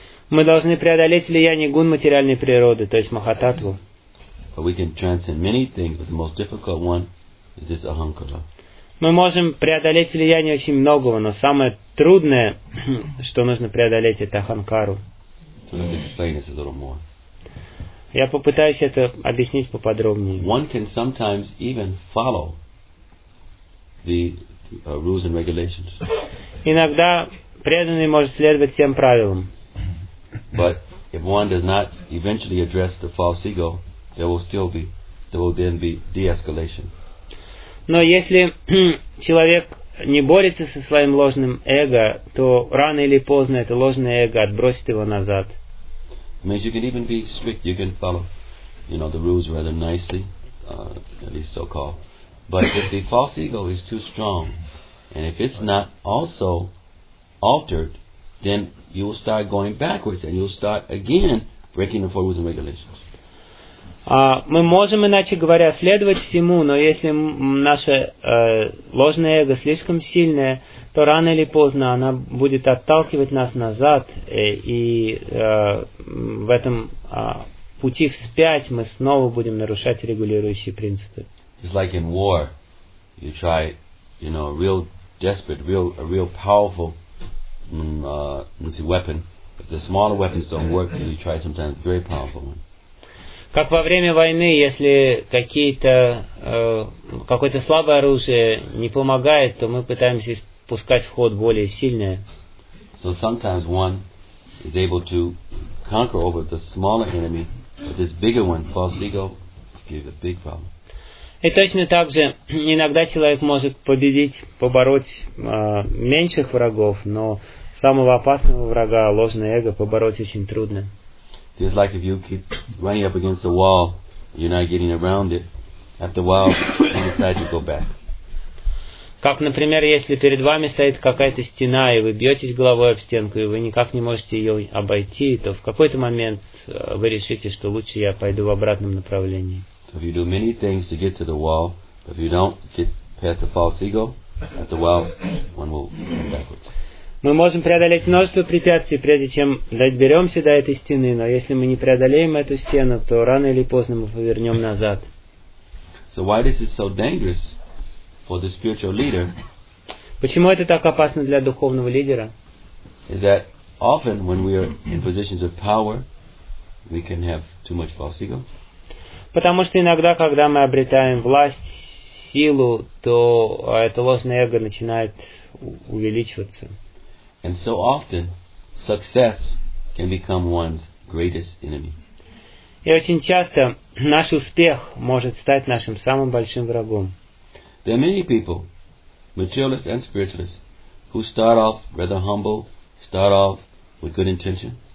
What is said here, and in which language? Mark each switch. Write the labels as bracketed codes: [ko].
[ru] Мы должны преодолеть влияние гун материальной природы, то есть Махаттатву. [en] But we can transcend many things, but the most difficult one is this ahankara. [ru] Мы можем преодолеть влияние очень многого, но самое трудное, что нужно преодолеть, это аханкару. [en] So let's explain this a little more. [ru] Я попытаюсь это объяснить поподробнее. [en] One can sometimes even follow the rules and regulations. [ru] Иногда преданный может следовать всем правилам. [en] But if one does not eventually address the false ego, there will then be de-escalation. [ru] Но если человек не борется со своим ложным эго, то рано или поздно это ложное эго отбросит его назад. [en] It means you can even be strict, you can follow, you know, the rules rather nicely, at least so called. But if the false ego is too strong, and if it's not also altered, then you will start going backwards, and you'll start again breaking the four rules and regulations. [ru] Мы можем, иначе говоря, следовать всему, но если наше ложное эго слишком сильное, то рано или поздно оно будет отталкивать нас назад, и в этом пути вспять мы снова будем нарушать регулирующие принципы. [en] It's like in war. You try, you know, a real desperate, a real powerful weapon. If the smaller weapons don't work, then you try sometimes a very powerful one. [ru] Как во время войны, если какое-то слабое оружие не помогает, то мы пытаемся пускать в ход более сильное. [en] So sometimes one is able to conquer over the smaller enemy, but this bigger one, false ego, gives a big problem. [ru] И точно так же иногда человек может победить, побороть меньших врагов, но самого опасного врага, ложное эго, побороть очень трудно. [en] It's like if you keep running up against a wall, you're not getting around it. After a while, you decide to go back. [ru] Как, например, если перед вами стоит какая-то стена, и вы бьетесь головой об стенку, и вы никак не можете ее обойти, то в какой-то момент вы решите, что лучше я пойду в обратном направлении. [en] So if you do many things to get to the wall, but if you don't get past the false ego, after a while, one will come backwards. [ru] Мы можем преодолеть множество препятствий, прежде чем доберемся до этой стены, но если мы не преодолеем эту стену, то рано или поздно мы повернем назад. [en] So why this is so dangerous for the spiritual leader? [ru] Почему это так опасно для духовного лидера? [en] Is that often when we are in positions of power, we can have too much false ego? [ru] Потому что иногда, когда мы обретаем власть, силу, то это ложное эго начинает увеличиваться. [en] And so often, success can become one's greatest enemy. [ru] И очень часто наш успех может стать нашим самым большим врагом. [en] There are many people, materialists and spiritualists, who start off rather humble, start off with good intention.